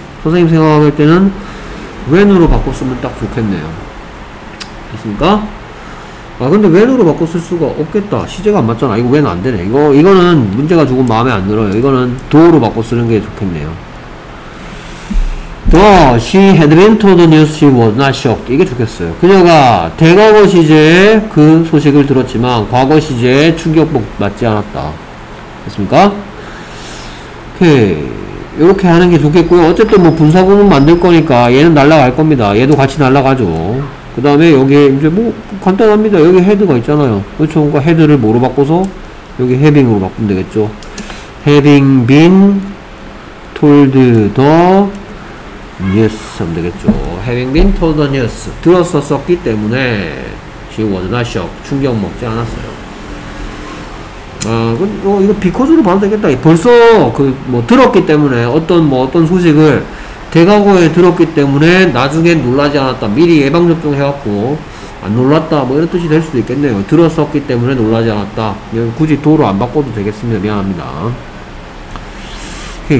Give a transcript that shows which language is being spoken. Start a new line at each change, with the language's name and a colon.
Korean: 선생님 생각할 때는 when으로 바꿨으면 딱 좋겠네요. 됐습니까? 아 근데 when으로 바꿨을 수가 없겠다. 시제가 안 맞잖아. 이거 when 안 되네. 이거는 문제가 조금 마음에 안 들어요. 이거는 do로 바꿔 쓰는 게 좋겠네요.
English: Though she had been told the news, she was not shocked.
Korean: 이게 좋겠어요. 그녀가 대과거 시제에 그 소식을 들었지만 과거 시제에 충격받지 않았다. 됐습니까? 오케이. 이렇게 하는 게 좋겠고요. 어쨌든 뭐 분사구문 만들 거니까 얘는 날라갈 겁니다. 얘도 같이 날라가죠. 그 다음에 여기에 이제 뭐 간단합니다. 여기 헤드가 있잖아요. 그렇죠. 그러니까 헤드를 뭐로 바꿔서 여기 having으로 바꾸면 되겠죠.
English: having been told the news
Korean: 하면 되겠죠.
English: having been told the news
Korean: 들었었었기 때문에
English: she was not shocked.
Korean: 충격 먹지 않았어요. 이거 because로 봐도 되겠다. 벌써 그 뭐 들었기 때문에 어떤 소식을 대과거에 들었기 때문에 나중에 놀라지 않았다. 미리 예방접종 해갖고 안 놀랐다 뭐 이런 뜻이 될 수도 있겠네요. 들었었기 때문에 놀라지 않았다. 굳이 도로 안 바꿔도 되겠습니다. 미안합니다. 오케이.